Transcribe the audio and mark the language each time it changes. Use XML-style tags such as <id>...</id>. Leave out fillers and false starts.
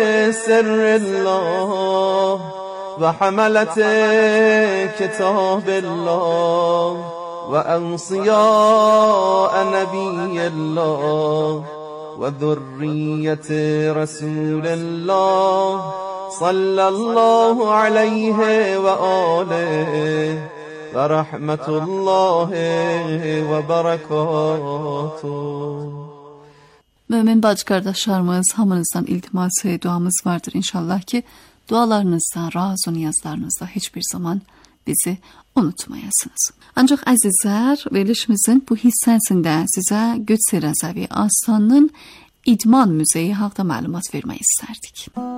<ar>سر الله و حملت کتاب الله و اوصیاء نبی الله و ذریت رسول الله صلى الله عليه وآله ورحمة الله وبركاته</ar> <az>Mömin bacı qardaşlarımız, hamınızdan iltimas və duamız vardır inşallah ki, dualarınızdan, razı niyazlarınızdan heç bir zaman bizi unutmayasınız. Ancaq əzizlər, verilişimizin bu hissəsində sizə Qüds-i Rəzəvi Aslanının İdman Müzeyi haqda məlumat vermək istərdik.</az>